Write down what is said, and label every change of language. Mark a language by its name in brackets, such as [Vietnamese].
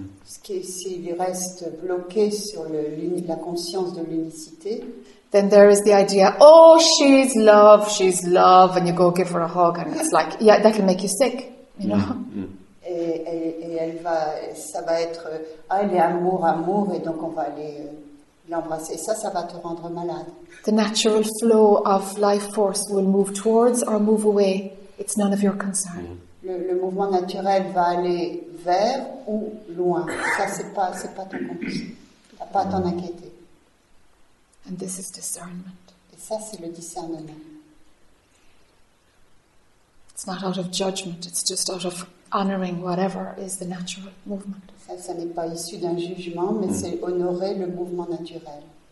[French] S'ils restent bloqués sur la conscience de l'unicité, [English] then there is the idea, oh, she's love, and you go give her a hug, and it's like, yeah, that'll make you sick, you know? Mm-hmm. [French] Et elle va, ça va être, ah, elle est amour, et donc on va aller l'embrasser. Et ça va te rendre malade. [English] The natural flow of life force will move towards or move away. It's none of your concern. [French] Le mouvement naturel va aller vers ou loin. Ça, c'est pas ton concern. T'as pas à t'en inquiéter. [English] And this is discernment. [French] Et ça, c'est le discernement. [English] It's not out of judgment. It's just out of honoring whatever is the natural movement. [French] Ça n'est pas issu d'un jugement, mais c'est honorer le mouvement naturel.